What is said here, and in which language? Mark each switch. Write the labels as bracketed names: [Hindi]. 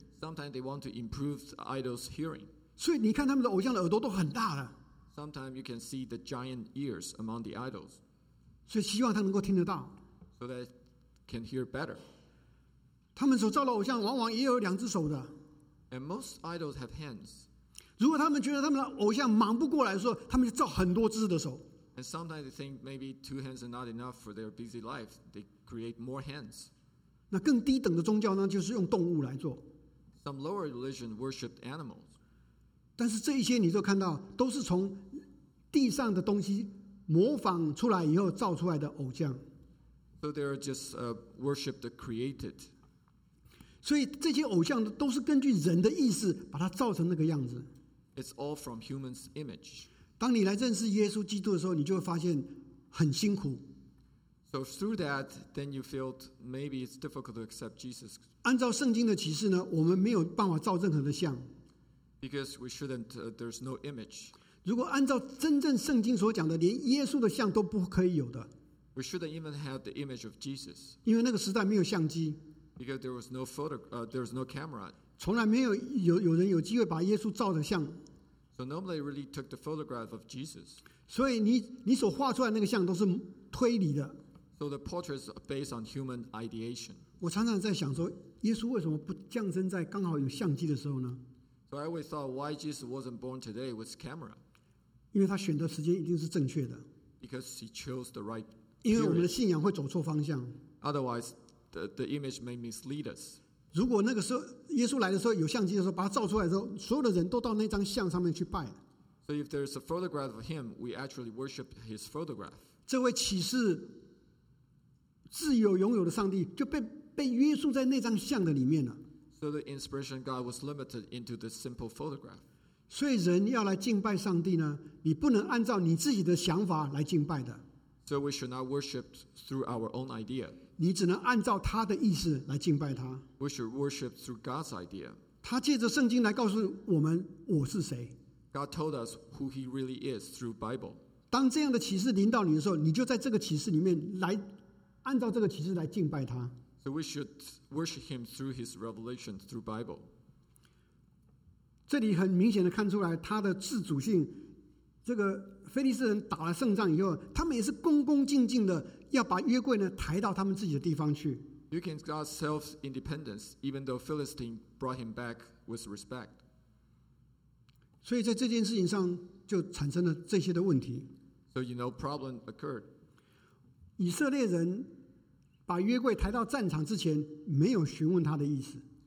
[English] Sometimes they want to improve the idol's hearing. [Chinese] 所以你看他们的偶像的耳朵都很大的。 [English] Sometimes you can see the giant ears among the idols. [Chinese] 所以希望他能够听得到。 [English] So they can hear better. [Chinese] 他们所造的偶像往往也有两只手的。 [English] And most idols have hands. [Chinese] 如果他们觉得他们的偶像忙不过来的时候，他们就造很多只的手。 [English] And sometimes they think maybe two hands are not enough for their busy life. They create more hands. [Chinese] 那更低等的宗教呢，就是用动物来做。 [English] Some lower religion worshipped animals. [Chinese] 但是这一些你就看到都是从地上的东西模仿出来以后造出来的偶像。 [English] So they are just worship the created. [Chinese] 所以这些偶像都是根据人的意思把它造成那个样子。 [English] It's all from human's image. [Chinese] 当你来认识耶稣基督的时候，你就会发现很辛苦。 [English] So through that, then you feel maybe it's difficult to accept Jesus. [Chinese] 按照圣经的启示呢，我们没有办法造任何的像。 [English] Because we shouldn't, there's no image. [Chinese] 如果按照真正圣经所讲的，连耶稣的像都不可以有的。 [English] We shouldn't even have the image of Jesus. [Chinese] 因为那个时代没有相机。 [English] Because there was no photo, there was no camera. [Chinese] 从来没有有人有机会把耶稣照的像。 [English] So nobody really took the photograph of Jesus. [Chinese] 所以你所画出来的那个像都是推理的。 [English] So the portraits are based on human ideation. [Chinese] 我常常在想说，耶稣为什么不降生在刚好有相机的时候呢？ [English] So I always thought why Jesus wasn't born today with camera. [Chinese] 因为他选择时间一定是正确的。 [English] Because he chose the right. [Chinese] 因为我们的信仰会走错方向。 [English] Otherwise, the image may mislead us. [Chinese] 如果那个时候耶稣来的时候有相机的时候，把他照出来的时候，所有的人都到那张像上面去拜。 [English] So if there's a photograph of him, we actually worship his photograph. [Chinese] 这位启示自由拥有的上帝就被约束在那张像的里面了。 [English] So the inspiration of God was limited into this simple photograph. [Chinese] 所以人要来敬拜上帝呢，你不能按照你自己的想法来敬拜的。 [English] So we should not worship through our own idea. [Chinese] 你只能按照他的意思来敬拜他。 [English] We should worship through God's idea. [Chinese] 他借着圣经来告诉我们我是谁。 [English] God told us who he really is through Bible. [Chinese] 当这样的启示临到你的时候，你就在这个启示里面来按照这个启示来敬拜他。 [English] So we should worship him through his revelation through Bible. [Chinese] 这里很明显的看出来他的自主性。这个腓力斯人打了胜仗以后，他们也是恭恭敬敬的要把约柜呢抬到他们自己的地方去。 [English] You can God's self-independence, even though Philistine brought him back with respect. [Chinese] 所以在这件事情上就产生了这些的问题。 [English] So you know, problem occurred. [Chinese] 以色列人把约柜抬到战场之前，没有询问他的意思。